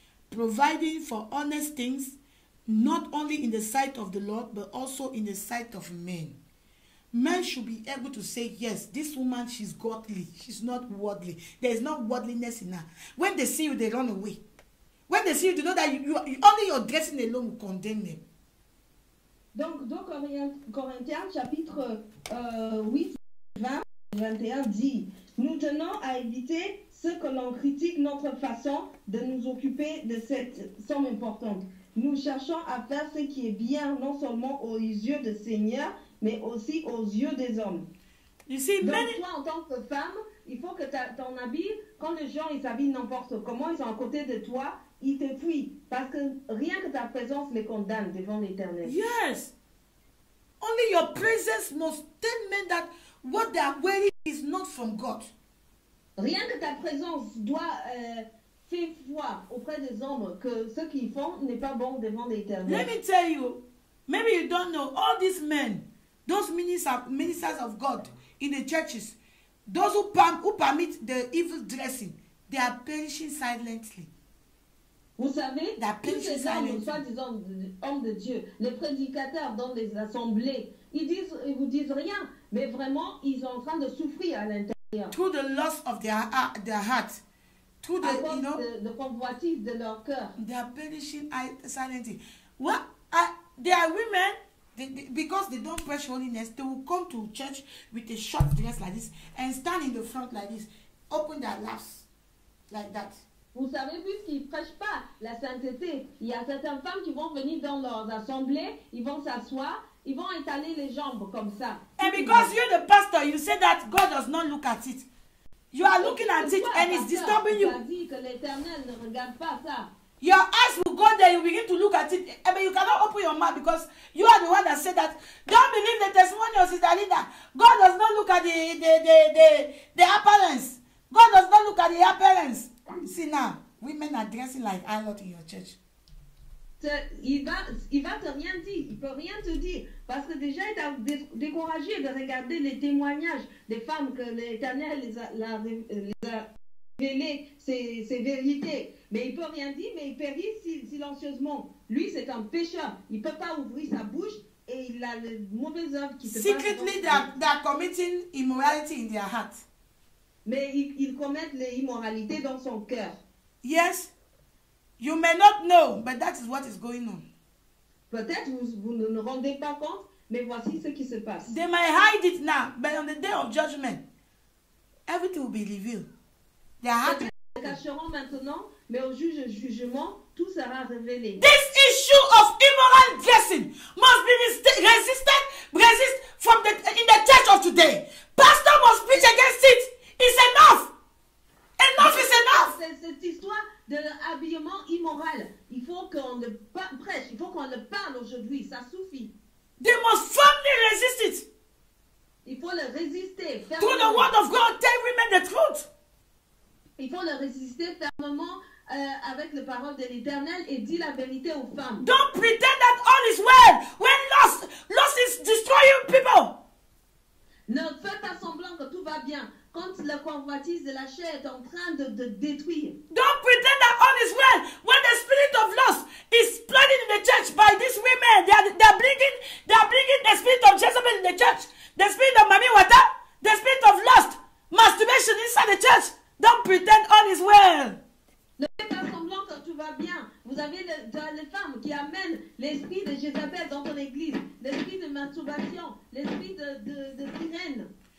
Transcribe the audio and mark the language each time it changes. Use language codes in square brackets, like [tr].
[en] Providing for honest things, not only in the sight of the Lord, but also in the sight of men. Men should be able to say, yes, this woman, she's godly. She's not worldly. There is no worldliness in her. When they see you, they run away. When they see you, they know that you only your dressing alone will condemn them. [fr] Donc, 2 Corinthiens, chapitre 8, 20, 21, dit, « Nous tenons à éviter ce que l'on critique notre façon de nous occuper de cette somme importante. Nous cherchons à faire ce qui est bien, non seulement aux yeux du Seigneur, mais aussi aux yeux des hommes. » [en] You see, [fr] donc, toi, en tant que femme, Il faut que ton habit, quand les gens s'habillent n'importe comment, ils sont à côté de toi, ils te fuient. Parce que rien que ta présence les condamne devant l'Éternel. [en] Yes. Only your presence must tell men that what they are wearing is not from God. [fr] Rien que ta présence doit faire foi auprès des hommes que ce qu'ils font n'est pas bon devant l'Éternel. [en] Let me tell you, maybe you don't know, all these men, those ministers of God in the churches, those who permit the evil dressing, they are perishing silently. [fr] Vous savez, tous ces hommes, soi-disant hommes de Dieu, les prédicateurs dans les assemblées, ils vous disent rien, mais vraiment, ils sont en train de souffrir à l'intérieur. [en] Through the loss of their heart, through the, you know, [fr] de convoitise de leur cœur. [en] They are perishing silently. What? They are women. Because they don't preach holiness, they will come to church with a short dress like this and stand in the front like this, open their laps like that. [fr] Vous savez, puisqu'ils ne prêchent pas la sainteté, il y a certaines femmes qui vont venir dans leurs assemblées, ils vont s'asseoir, ils vont étaler les jambes comme ça. [en] And because you're the pastor, you say that God does not look at it. You are looking at it and it's disturbing you. [fr] Tu as dit que l'Éternel ne regarde pas ça. [en] Your eyes will go there, you begin to look at it. I mean, you cannot open your mouth because you are the one that said that. Don't believe the testimony of Sister Linda. God does not look at the appearance. God does not look at the appearance. See now, women are dressing like a lot in your church. [fr] Il va te rien dire, il peut rien te dire parce que déjà il t'a découragé de regarder les témoignages des femmes que l'Éternel les a révélées, ces vérités. Mais il peut rien dire, mais il périt silencieusement. Lui, c'est un pécheur. Il peut pas ouvrir sa bouche et il a les mauvaises œuvres qui se passent. [en] Secretly, they are committing immorality in their heart. [fr] Mais il commet les immoralités dans son cœur. [en] Yes, you may not know, but that is what is going on. [fr] Peut-être vous ne vous rendez pas compte, mais voici ce qui se passe. [en] They may hide it now, but on the day of judgment, everything will be revealed. Their heart. [fr] Ils cacheront maintenant. Mais au jugement, tout sera révélé. [en] This issue of immoral dressing must be resisted from in the church of today. Pastor must preach against it. It's enough. Enough is enough. [fr] Cette histoire de l'habillement immoral, il faut qu'on le prêche, il faut qu'on le parle aujourd'hui, ça suffit. [en] They must firmly resist it. [fr] Il faut le résister. [en] Through the word of God, tell women the truth. [fr] Il faut le résister fermement avec la parole de l'Éternel et dit la vérité aux femmes. [en] Don't pretend that all is well when loss is destroying people. [fr] Ne fais pas semblant que tout va bien quand la convoitise de la chair est en train de détruire. [en] Don't pretend that all is well when the spirit of loss is spreading in the church by these women. They are bringing the spirit of Jezebel in the church, the spirit of Mami Wata, the spirit of lust, masturbation inside the church. Don't pretend all is well. [fr] Ne fais pas semblant que tout va bien. Vous avez les femmes qui amènent l'esprit de Jézabel dans ton église, l'esprit de masturbation, l'esprit de sirène.